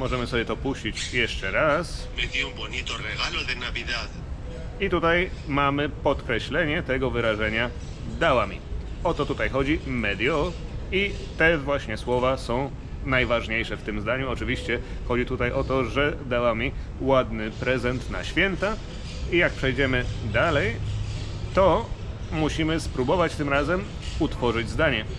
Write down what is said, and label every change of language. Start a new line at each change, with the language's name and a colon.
Polish: Możemy sobie to puścić jeszcze raz.
Spanish: Me dio un bonito regalo de Navidad.
Polish: I tutaj mamy podkreślenie tego wyrażenia dała mi. O to tutaj chodzi,
Spanish: me dio.
Polish: I te właśnie słowa są najważniejsze w tym zdaniu. Oczywiście chodzi tutaj o to, że dała mi ładny prezent na święta. I jak przejdziemy dalej, to musimy spróbować tym razem utworzyć zdanie.